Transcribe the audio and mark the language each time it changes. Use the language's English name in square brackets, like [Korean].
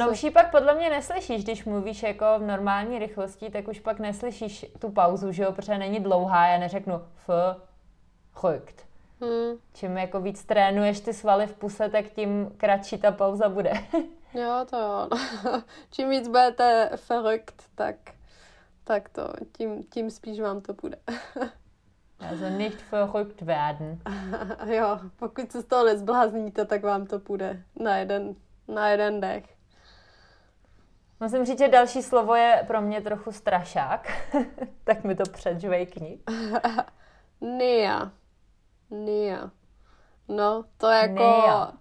[Czech] Ono už ji pak podle mě neslyšíš, když mluvíš jako v normální rychlosti, tak už pak neslyšíš tu pauzu, že jo, protože není dlouhá, já neřeknu f, chukt. Čím jako víc trénuješ ty svaly v puse, tak tím kratší ta pauza bude. Jo, to jo. Čím víc budete verrückt, tak to, tím spíš vám to bude. [German] Also nicht verrückt werden. [Czech] Jo, pokud se z toho nezblázníte, tak vám to půjde na jeden dech. Musím říct, že další slovo je pro mě trochu strašák. Tak mi to předžvejkni. Nia. Nia. No, to jako... Nia.